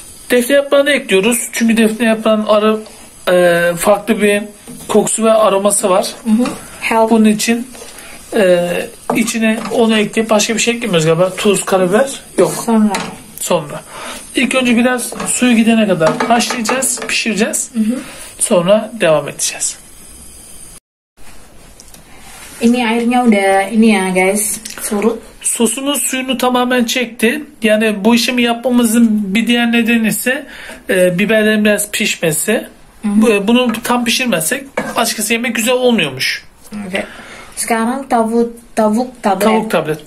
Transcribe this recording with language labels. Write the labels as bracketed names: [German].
[Turkish] Defne yaprağını ekliyoruz. Çünkü defne yaprağının farklı bir kokusu ve aroması var. [English] Help. [Turkish] Bunun için içine onu ekleyip başka bir şey ekliyoruz galiba. Tuz, karabiber yok. Sonra. İlk önce biraz suyu gidene kadar haşlayacağız, pişireceğiz. Sonra devam edeceğiz. [Indonesian] İni airnya udah ini ya guys. Surut. [Turkish] Sosunun suyunu tamamen çekti. Yani bu işimi yapmamızın bir diğer nedeni ise biberlerin biraz pişmesi. Bunu tam pişirmezsek açıkçası yemek güzel olmuyormuş. Evet. [Indonesian] Sekarang [Turkish] tavuk tablet. Tavuk tablet.